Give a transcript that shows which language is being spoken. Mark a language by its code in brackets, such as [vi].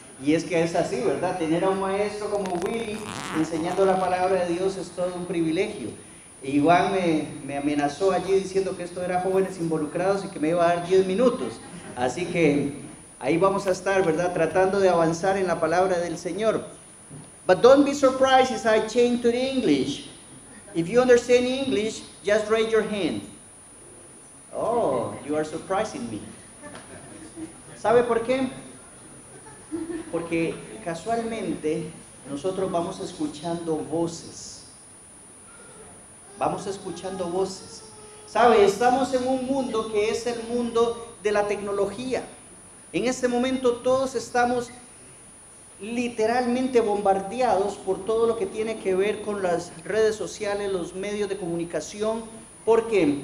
[es] Y es que es así, ¿verdad? Tener a un maestro como Willy enseñando la palabra de Dios es todo un privilegio. E Iván me amenazó allí diciendo que esto era jóvenes involucrados y que me iba a dar 10 minutos. Así que ahí vamos a estar, ¿verdad? Tratando de avanzar en la palabra del Señor. [en] But don't be surprised if I change to the English. If you understand English, just raise your hand. Oh, you are surprising me. [es] ¿Sabe por qué? Porque casualmente nosotros vamos escuchando voces. Vamos escuchando voces. ¿Sabe? Estamos en un mundo que es el mundo de la tecnología. En este momento todos estamos literalmente bombardeados por todo lo que tiene que ver con las redes sociales, los medios de comunicación. ¿Por qué?